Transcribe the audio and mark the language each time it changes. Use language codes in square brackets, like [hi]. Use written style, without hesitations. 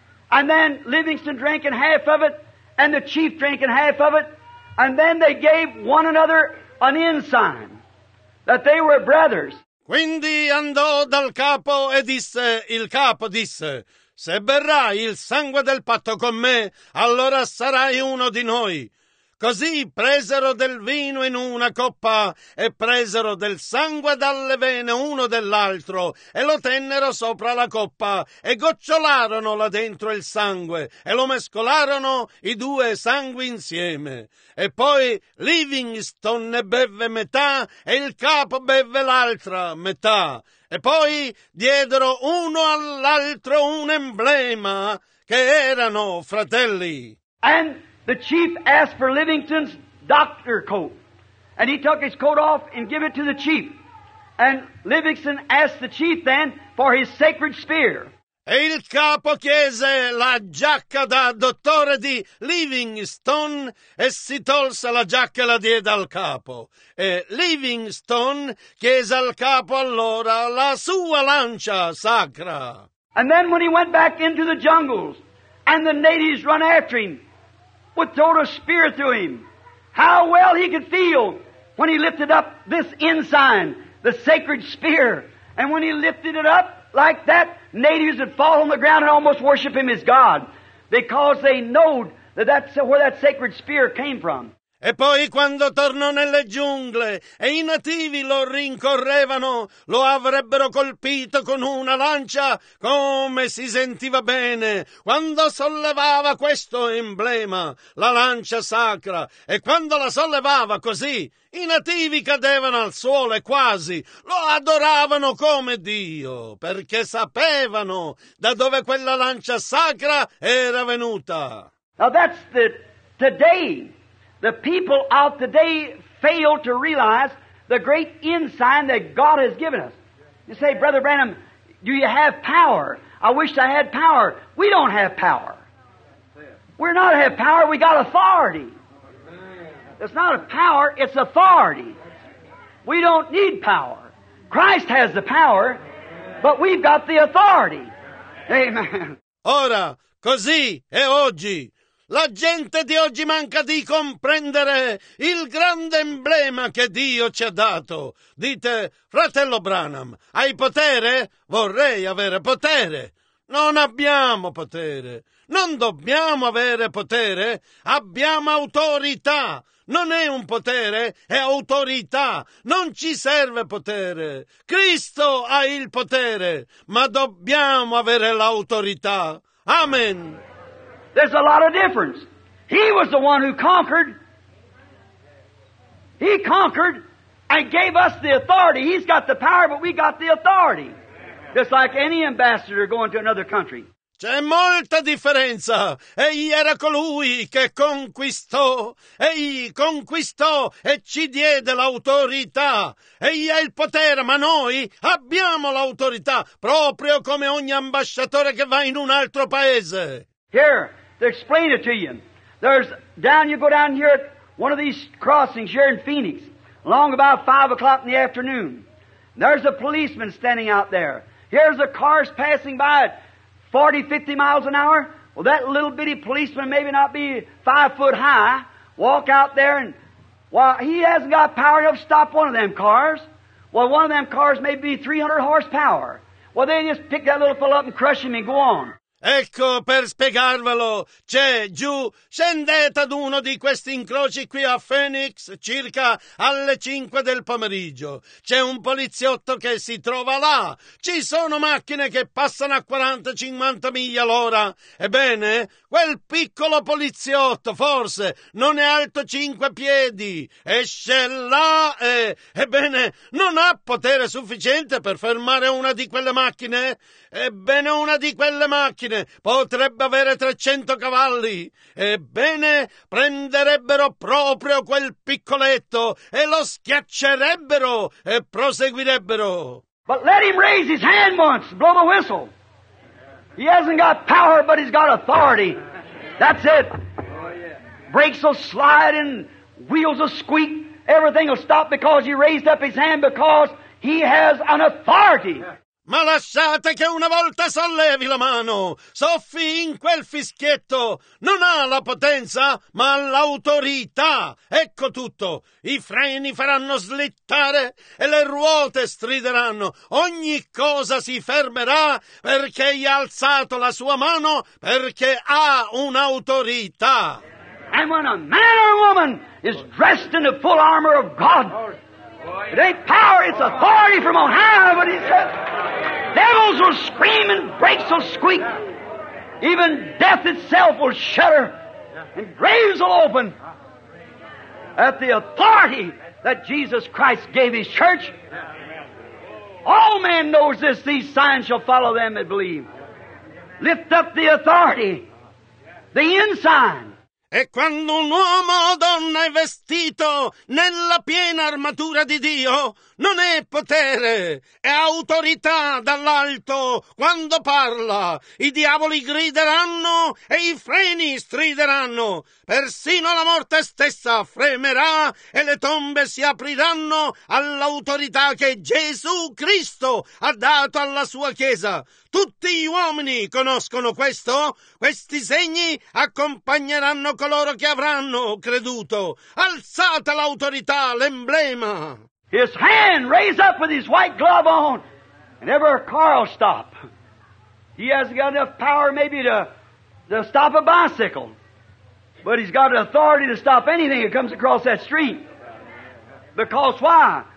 [en] And then Livingston drank in half of it, and the chief drank in half of it, and then they gave one another an ensign that they were brothers. [it] Quindi andò dal capo e disse, il capo disse, se berrai il sangue del patto con me, allora sarai uno di noi. Così presero del vino in una coppa e presero del sangue dalle vene uno dell'altro e lo tennero sopra la coppa e gocciolarono là dentro il sangue e lo mescolarono i due sangue insieme. E poi Livingston ne beve metà e il capo beve l'altra metà. E poi diedero uno all'altro un emblema che erano fratelli. [en] And the chief asked for Livingston's doctor coat, and he took his coat off and gave it to the chief. And Livingston asked the chief then for his sacred spear. [it] E il capo chiese la giacca da dottore di Livingston e si tolse la giacca e la diede al capo. E Livingston chiese al capo allora la sua lancia sacra. [en] And then when he went back into the jungles and the natives run after him, would throw a spear through him. How well he could feel when he lifted up this ensign, the sacred spear. And when he lifted it up like that, natives would fall on the ground and almost worship him as God, because they knowed that that's where that sacred spear came from. [it] E poi quando tornò nelle giungle e i nativi lo rincorrevano, lo avrebbero colpito con una lancia come si sentiva bene quando sollevava questo emblema, la lancia sacra, e quando la sollevava così, i nativi cadevano al suolo e quasi lo adoravano come Dio, perché sapevano da dove quella lancia sacra era venuta. [en] Now that's the today. The people of today fail to realize the great ensign that God has given us. You say, Brother Branham, do you have power? I wish I had power. We don't have power. We're not have power. We got authority. It's not a power. It's authority. We don't need power. Christ has the power, but we've got the authority. Amen. [it] Ora, così e oggi. La gente di oggi manca di comprendere il grande emblema che Dio ci ha dato. Dite, fratello Branham, hai potere? Vorrei avere potere. Non abbiamo potere. Non dobbiamo avere potere. Abbiamo autorità. Non è un potere, è autorità. Non ci serve potere. Cristo ha il potere, ma dobbiamo avere l'autorità. Amen. [en] There's a lot of difference. He was the one who conquered. He conquered and gave us the authority. He's got the power, but we got the authority. Just like any ambassador going to another country. [it] C'è molta differenza. Egli era colui che conquistò. Egli conquistò e ci diede l'autorità. Egli ha il potere, ma noi abbiamo l'autorità, proprio come ogni ambasciatore che va in un altro paese. [en] Here. To explain it to you, there's down, you go down here at one of these crossings here in Phoenix, along about 5 o'clock in the afternoon. There's a policeman standing out there. Here's the cars passing by at 40, 50 miles an hour. Well, that little bitty policeman, maybe not be 5 foot high, walk out there and Well, he hasn't got power enough to stop one of them cars. Well, one of them cars may be 300 horsepower. Well, they just pick that little fellow up and crush him and go on. [it] Ecco, per spiegarvelo, c'è giù, scendete ad uno di questi incroci qui a Phoenix, circa alle 5 del pomeriggio. C'è un poliziotto che si trova là. Ci sono macchine che passano a 40-50 miglia l'ora. Ebbene, quel piccolo poliziotto, forse, non è alto 5 piedi. Esce là e, ebbene, non ha potere sufficiente per fermare una di quelle macchine? Ebbene, una di quelle macchine potrebbe avere 300 cavalli. Ebbene, prenderebbero proprio quel piccoletto e lo schiaccerebbero e proseguirebbero. [en] But let him raise his hand once, blow the whistle. He hasn't got power, but he's got authority. That's it. Brakes will slide and wheels will squeak. Everything will stop because he raised up his hand because he has an authority. [it] Ma lasciate che una volta sollevi la mano, soffi in quel fischietto. Non ha la potenza, ma l'autorità. Ecco tutto. I freni faranno slittare e le ruote strideranno. Ogni cosa si fermerà perché gli ha alzato la sua mano, perché ha un'autorità. [en] And when a man or a woman is dressed in the full armor of God, it ain't power, it's authority from on high, but he says. Devils will scream and brakes will squeak. Even death itself will shudder and graves will open. At the authority that Jesus Christ gave his church, all men knows this, these signs shall follow them that believe. Lift up the authority, the ensign. [it] E quando un uomo o donna è vestito nella piena armatura di Dio, non è potere, è autorità dall'alto. Quando parla, i diavoli grideranno e i freni strideranno. Persino la morte stessa fremerà e le tombe si apriranno all'autorità che Gesù Cristo ha dato alla sua Chiesa. Tutti gli uomini conoscono questo? Questi segni accompagneranno coloro che avranno creduto. Alzate l'autorità, l'emblema! [en] His hand raised up with his white glove on, and every car will stop. He hasn't got enough power maybe to stop a bicycle, but he's got authority to stop anything that comes across that street. Because why?